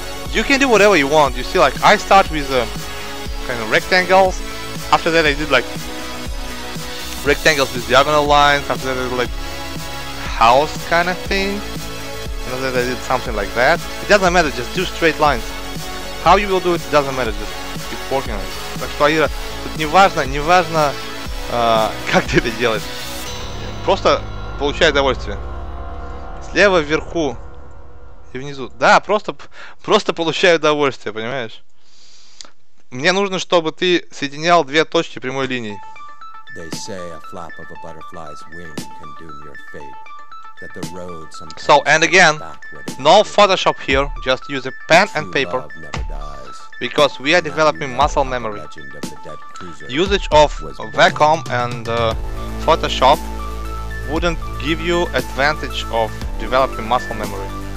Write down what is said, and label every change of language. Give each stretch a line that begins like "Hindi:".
English: You can do whatever you want. You see, like, I start with kind of rectangles. After that, I did like rectangles with diagonal lines. After that, I did like house kind of thing. After that, I did something like that. It doesn't matter. Just do straight lines. How you will do it, it doesn't matter. Just keep working on it.
Russian: Так что, Аира, тут не важно, как ты это делаешь. Просто получай удовольствие. Слева вверху. И внизу. Да, просто получаю удовольствие, понимаешь? Мне нужно, чтобы ты соединял две точки прямой линии.
English: They say a flap of a butterfly's wing can doom your fate. That the road sometimes... So, and again, no Photoshop here, just use a pen and paper. Because we are developing muscle memory. Usage of Wacom and Photoshop wouldn't give you advantage of developing muscle memory.